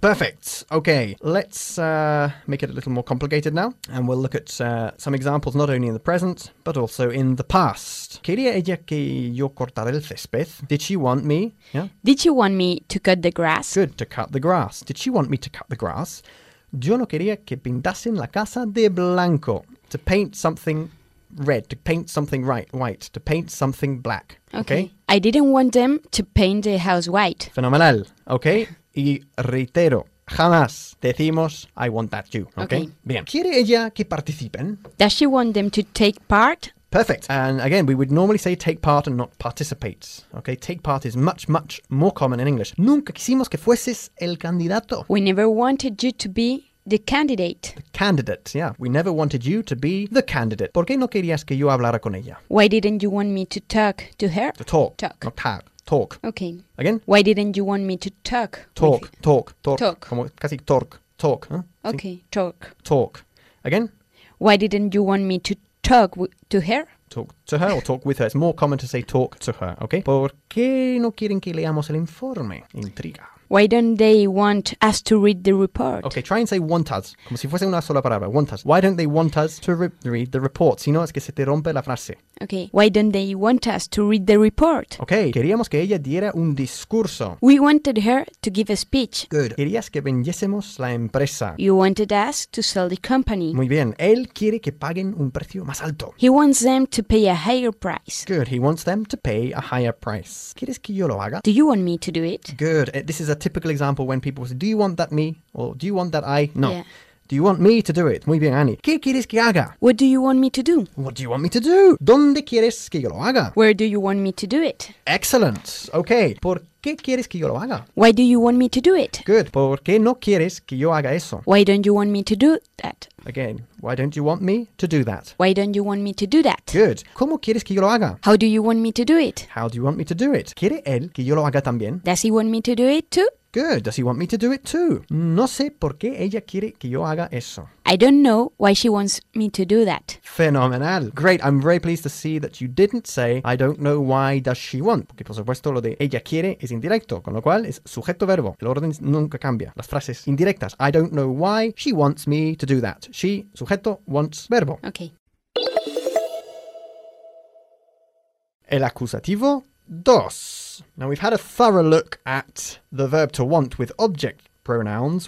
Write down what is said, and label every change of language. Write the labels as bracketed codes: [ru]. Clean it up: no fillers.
[en] Perfect. Okay, let's make it a little more complicated now. And we'll look at some examples, not only in the present, but also in the past. [es] ¿Quería ella que yo cortara el césped? [en] Did she want me? Yeah. Did she want me to cut the grass? Good, to cut the grass. Did she want me to cut the grass? [es] Yo no quería que pintasen la casa de blanco. [en] To paint something red, to paint something white, to paint something black. Okay. I didn't want them to paint the house white. [es] Fenomenal. Okay. Y reitero, jamás decimos, [en] I want that too. [es] Okay. Bien. ¿Quiere ella que participen? [en] Does she want them to take part? Perfect. And again, we would normally say take part and not participate. Okay, take part is much, much more common in English. [es] Nunca quisimos que fueses el candidato. [en] We never wanted you to be the candidate. The candidate, yeah. We never wanted you to be the candidate. [es] ¿Por qué no querías que yo hablara con ella? [en] Why didn't you want me to talk to her? To talk. Talk. Okay. Again? Why didn't you want me to talk? [es] Talk. Como casi talk. [en] ¿Eh? Okay, sí. Talk. Talk. Again? Why didn't you want me to talk to her? Talk to her or talk with her. It's more common to say talk to her, okay? [es] ¿Por qué no quieren que leamos el informe? Intriga. [en] Why don't they want us to read the report? Okay, try and say want us. [es] Como si fuese una sola palabra. [en] Want us. Why don't they want us to read the report? [es] Si no, es que se te rompe la frase. [en] Okay. Why don't they want us to read the report? [es] Okay. Queríamos que ella diera un discurso. [en] We wanted her to give a speech. [es] Good. Querías que vendiésemos la empresa. [en] You wanted us to sell the company. [es] Muy bien. Él quiere que paguen un precio más alto. [en] He wants them to pay a higher price. Good. He wants them to pay a higher price. [es] ¿Quieres que yo lo haga? [en] Do you want me to do it? Good. This is a typical example when people say, do you want that me? Or do you want that I? No. Yeah. Do you want me to do it? [es] Muy bien, Annie. ¿Qué quieres que haga? [en] What do you want me to do? What do you want me to do? [es] ¿Dónde quieres que yo lo haga? [en] Where do you want me to do it? Excellent. Okay. [es] ¿Por qué quieres que yo lo haga? [en] Why do you want me to do it? Good. [es] ¿Por qué no quieres que yo haga eso? [en] Why don't you want me to do that? Again, why don't you want me to do that? Why don't you want me to do that? [es] Good. ¿Cómo quieres que yo lo haga? [en] How do you want me to do it? How do you want me to do it? ¿Quiere él que yo lo haga también? Does he want me to do it too? Good. Does he want me to do it too? [es] No sé por qué ella quiere que yo haga eso. [en] I don't know why she wants me to do that. Phenomenal. Great. I'm very pleased to see that you didn't say, I don't know why does she want. [es] Porque, por supuesto, lo de ella quiere es indirecto, con lo cual es sujeto-verbo. El orden nunca cambia. Las frases indirectas. [en] I don't know why she wants me to do that. She, sujeto, wants, verbo. Okay. [es] El acusativo, dos. [en] Now, we've had a thorough look at the verb to want with object pronouns.